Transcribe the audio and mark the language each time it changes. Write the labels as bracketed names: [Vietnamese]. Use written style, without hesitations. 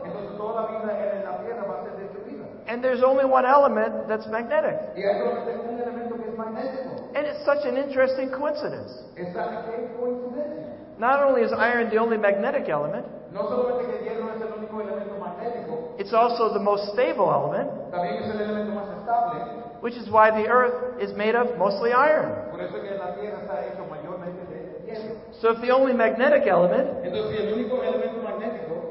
[Spanish] Entonces, toda vida en la tierra va a ser destruida. [English] And there's only one element that's magnetic. [Spanish] Y hay un elemento que es magnético. [English] And it's such an interesting coincidence. [Spanish] Es tan coincidencia. [English] Not only is iron the only magnetic element, [Spanish] no solamente que el hierro es el único elemento magnético, [English] it's also the most stable element, [Spanish] también es el elemento más estable, [English] which is why the earth is made of mostly iron. [Spanish] Por eso que la tierra está hecho mayormente de hierro. [English] So if the only magnetic element, [Spanish] entonces, si el único elemento magnético,